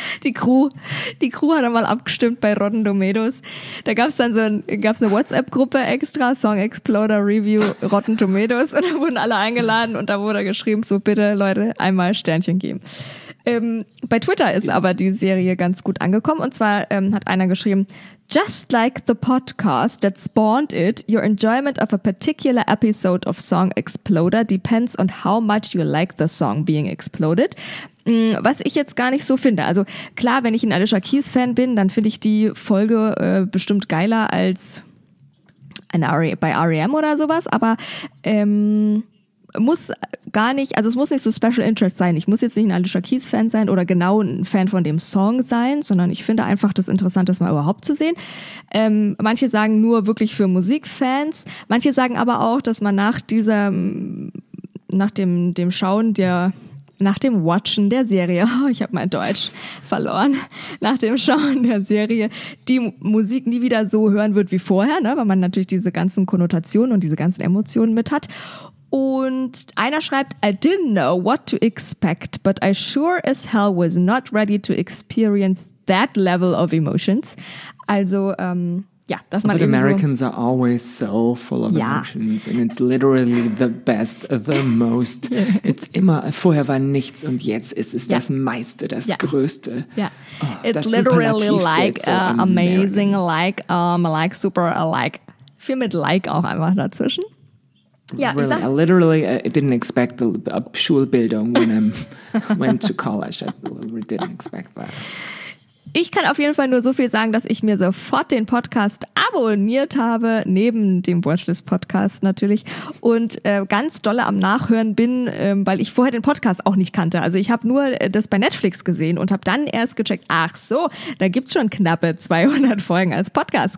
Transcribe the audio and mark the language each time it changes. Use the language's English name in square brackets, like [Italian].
[German] Die Crew hat einmal abgestimmt bei Rotten Tomatoes. Da gab es dann eine WhatsApp-Gruppe extra, Song Exploder Review Rotten Tomatoes. Und da wurden alle eingeladen und da wurde geschrieben, so bitte Leute, einmal Sternchen geben. Bei Twitter ist aber die Serie ganz gut angekommen. Und zwar hat einer geschrieben, [English] just like the podcast that spawned it, your enjoyment of a particular episode of Song Exploder depends on how much you like the song being exploded. [German] Was ich jetzt gar nicht so finde. Also klar, wenn ich ein Alicia Keys-Fan bin, dann finde ich die Folge bestimmt geiler als bei R.E.M. oder sowas. Aber es muss nicht so Special Interest sein. Ich muss jetzt nicht ein Alicia Keys Fan sein oder genau ein Fan von dem Song sein, sondern ich finde einfach das interessant, das mal überhaupt zu sehen. Manche sagen nur wirklich für Musikfans. Manche sagen aber auch, dass man nach dem Watchen der Serie, ich habe mein Deutsch verloren, nach dem Schauen der Serie, die Musik nie wieder so hören wird wie vorher, ne? Weil man natürlich diese ganzen Konnotationen und diese ganzen Emotionen mit hat. Und einer schreibt, [English] I didn't know what to expect, but I sure as hell was not ready to experience that level of emotions. [German] Also, dass man eben so... [English] But Americans are always so full of emotions and it's literally the best, the most. [German] It's immer, vorher war nichts und jetzt ist es das meiste, das größte. [English] Yeah. Oh, it's literally like amazing, like super, like [German] viel mit [English] like [German] auch einfach dazwischen. [English] I didn't expect a Schulbildung when I went to college. I didn't expect that. [German] Ich kann auf jeden Fall nur so viel sagen, dass ich mir sofort den Podcast abonniert habe, neben dem Watchlist-Podcast natürlich, und ganz dolle am Nachhören bin, weil ich vorher den Podcast auch nicht kannte. Also ich habe nur das bei Netflix gesehen und habe dann erst gecheckt, ach so, da gibt es schon knappe 200 Folgen als Podcast.